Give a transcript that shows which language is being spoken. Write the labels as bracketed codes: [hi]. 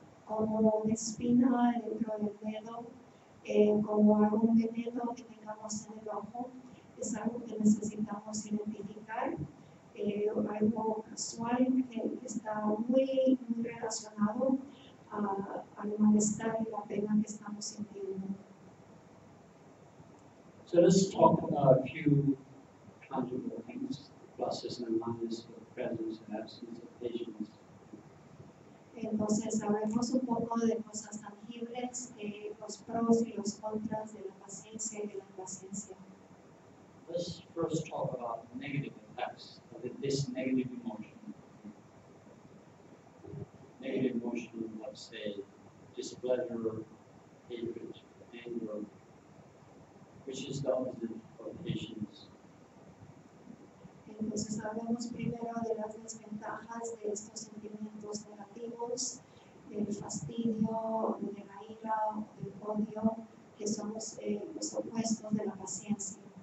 [es] como una espina dentro del dedo, como algún veneno que tengamos en el ojo, es algo que necesitamos identificar, algo casual que está muy relacionado al malestar y la pena que estamos sintiendo. [en] So let's talk about a few tangible things, pluses and minuses of presence and absence of patience. [es] Entonces, hablemos un poco de cosas tangibles. posibles los pros y los contras de la paciencia y de la impaciencia. [en] Let's first talk about the negative impacts of this negative emotion. Negative emotion, let's say, displeasure, hatred, anger, which is the opposite of patience. [es] Entonces hablamos primero de las desventajas de estos sentimientos negativos, del fastidio, de la ira, del odio, que son los opuestos de la paciencia.